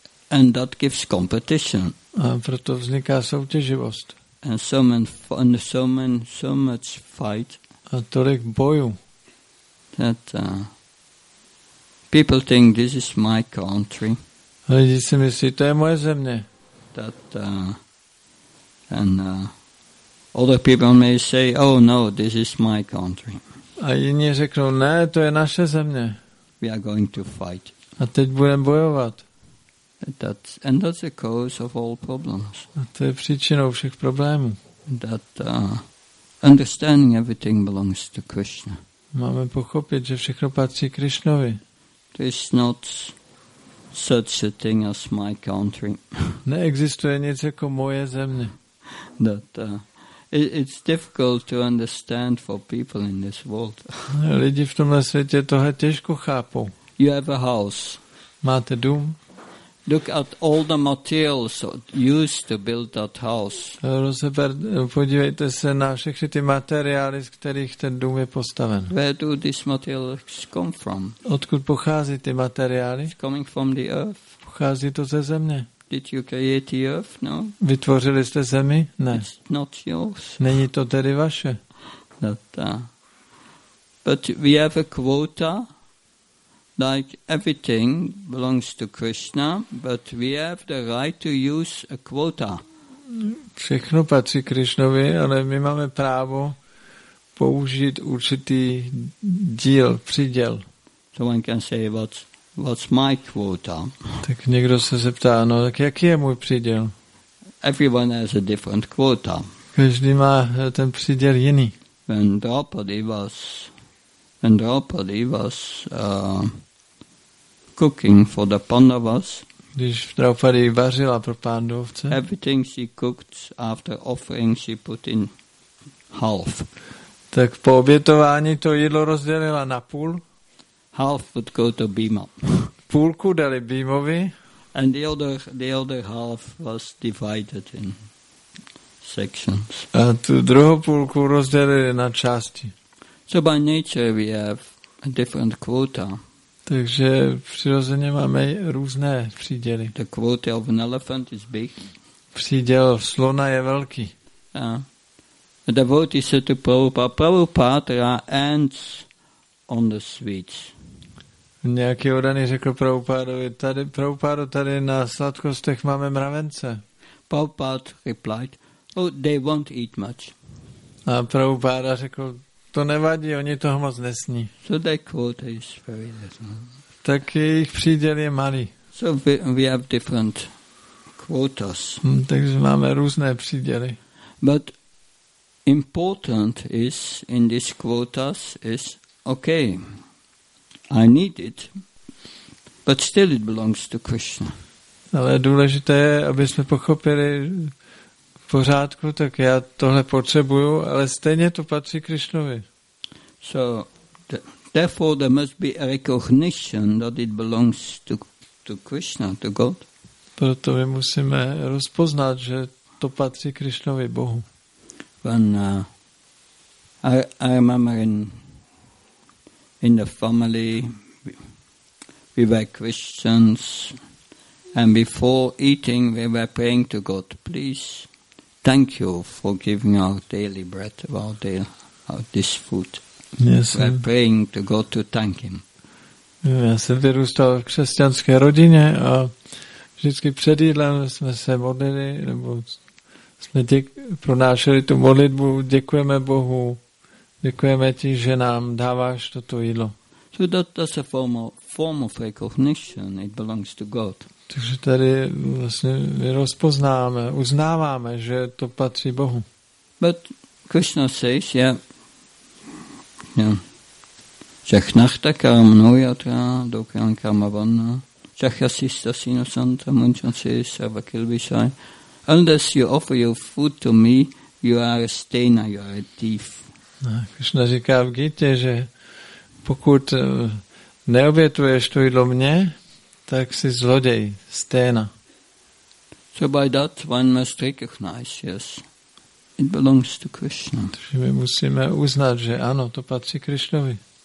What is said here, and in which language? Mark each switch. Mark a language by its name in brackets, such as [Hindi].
[English] And that gives competition. [Czech] A proto vzniká soutěživost. [English] And so much fight. [Czech] A tolik bojů. [English] That people think this is my country. [Czech] A lidi si myslí, to je moje země. [English] That and other people may say, oh no, this is my country. [Czech] A jiní řeknou, ne, to je naše země. [English] We are going to fight. [Czech] A teď budeme bojovat. [English] And that's the cause of all problems. [Czech] A to je příčinou všech problémů. [English] That understanding everything belongs to Krishna. [Czech] Máme pochopit, že všechno patří Krišnovi. [English] There's not such a thing as my country. [Czech] Neexistuje nic jako moje země. [English] That it's difficult to understand for people in this world. [Czech] Lidi v tomhle světě tohle těžko chápou. [English] You have a house. [Czech] Máte dům. [English] Look at all the materials used to build that house. [Czech] Podívejte se na všechny ty materiály, z kterých ten dům je postaven. [English] Where do these materials come from? [Czech] Odkud pochází ty materiály? [English] It's coming from the earth. [Czech] Pochází to ze země. [English] Did you create the earth? No. [Czech] Vytvořili jste zemi? Ne. [English] It's not yours. [Czech] Není to tedy vaše. [English] That, but we have a quota. Like everything belongs to Krishna, but we have the right to use a quota. [Czech] Všechno patří Krišnovi, ale my máme právo použít určitý díl, příděl. [English] Someone can say, what's my quota? [Czech] Tak někdo se zeptá, no tak jaký je můj příděl? [English] Everyone has a different quota. [Czech] Každý má ten příděl jiný. [English] When Draupadi was cooking for the Pandavas. [Czech] Když Draupadi vařila pro Pandovce. [English] Everything she cooked after offering she put in half. [Czech] Tak po obětování to jídlo rozdělila na půl. [English] Half would go to Bhima. [Czech] Půlku dali Bhimovi. [English] And the other half was divided in sections. [Czech] A tu druhou půlku rozdělili na části. [English] So by nature we have a different quota. [Czech] Takže přirozeně máme různé příděly. [English] The quota of an elephant is big. [Czech] Příděl slona je velký. [English] A devotee said to Prabhupada, there are ants on the sweets. [Czech] Nějaký oddaný řekl Prabhupádovi, tady na sladkostech máme mravence. [English] Prabhupada replied, oh, they won't eat much. [Czech] A Prabhupáda řekl, to nevadí, oni toho moc nesní. [English] So their quota is very little. [Czech] Tak jejich příděl je malý. [English] So we have different quotas. [Czech] Takže máme různé příděly. [English] But important is in these quotas is, okay, I need it, but still it belongs to Krishna. [Czech] Ale důležité je, aby jsme pochopili, v pořádku, tak já tohle potřebuju, ale stejně to patří Krišnovi. [English] So, therefore there must be a recognition that it belongs to Krishna, to God. [Czech] Proto my musíme rozpoznat, že to patří Krišnovi Bohu. [English] When I remember in the family we were Christians and before eating we were praying to God, please thank you for giving our daily bread, this food. Yes. We were praying to God to thank him. [Czech] Já jsem vyrůstal v křesťanské rodině a vždycky před jídlem jsme se modlili, nebo jsme pronášeli tu modlitbu, děkujeme Bohu, děkujeme ti, že nám dáváš toto jídlo. [English] So that's a form of recognition, it belongs to God. [Czech] Takže tady vlastně my rozpoznáme, uznáváme, že to patří Bohu. [English] But Krishna says, yeah, yeah. [Sanskrit] Chachnachta karmanuyatra dokyan karmavanna chachasista sinasanta munchanse sarvakilvishai. [English] Unless you offer your food to me, you are a stainer, you are a thief. [Czech] Krishna říká v Gita, že pokud neobětuješ to jídlo mně, tak jsi zloděj, sténa. [English] So by that one must recognize, yes, it belongs to Krishna. [Czech] Takže my musíme uznat, že ano, to patří Krishnovi.